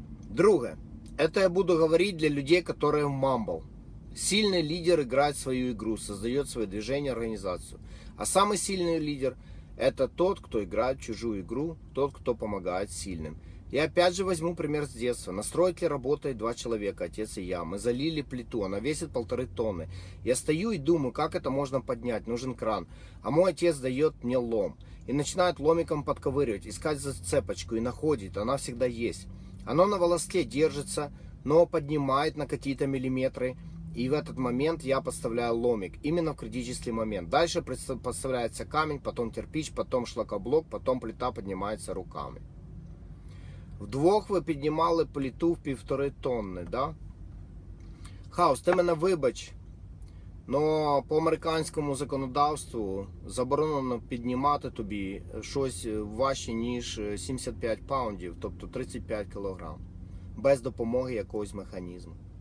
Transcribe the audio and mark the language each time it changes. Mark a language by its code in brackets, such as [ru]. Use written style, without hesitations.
[uk] Друге. Це я буду говорити для людей, які в Мамбл. Сильний лідер грає свою ігру, створює своє движення, організацію. А саме сильний лідер – це тот, хто грає чужу ігру, тот, хто допомагає сильним. [ru] Я опять же возьму пример с детства. На стройке работает 2 человека, отец и я. Мы залили плиту, она весит 1,5 тонны. Я стою и думаю, как это можно поднять, нужен кран. А мой отец дает мне лом. И начинает ломиком подковыривать, искать зацепочку и находит. Она всегда есть. Оно на волоске держится, но поднимает на какие-то миллиметры. И в этот момент я подставляю ломик, именно в критический момент. Дальше подставляется камень, потом кирпич, потом шлакоблок, потом плита поднимается руками. [uk] Вдвох ви піднімали пліту в 1,5 тонни, да? Хаус, ти мене вибач, Но по американському законодавству заборонено піднімати тобі щось важче, ніж 75 паундів, тобто 35 кілограм, без допомоги якогось механізму.